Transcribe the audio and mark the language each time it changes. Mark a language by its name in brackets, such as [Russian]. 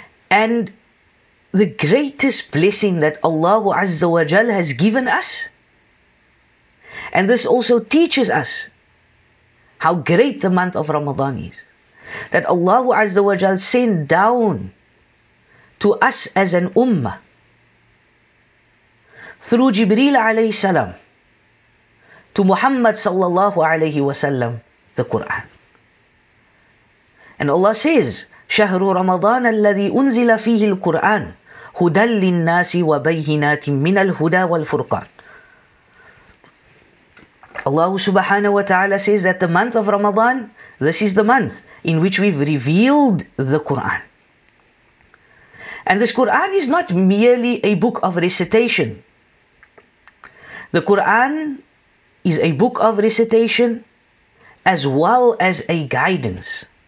[English] And the greatest blessing that Allah azza wa jal has given us, and this also teaches us how great the month of Ramadan is, that Allah azza wa jal sent down to us as an ummah through Jibreel alayhi salam to Muhammad sallallahu alayhi wa sallam the Quran. And Allah says, [Arabic] شهر رمضان الذي أنزل فيه القرآن هدى للناس وبينات من الهدى والفرقان. [English] Allah subhanahu wa ta'ala says that the month of Ramadan, this is the month in which we've revealed the Quran. And this Quran is not merely a book of recitation. The Quran is a book of recitation as well as a guidance.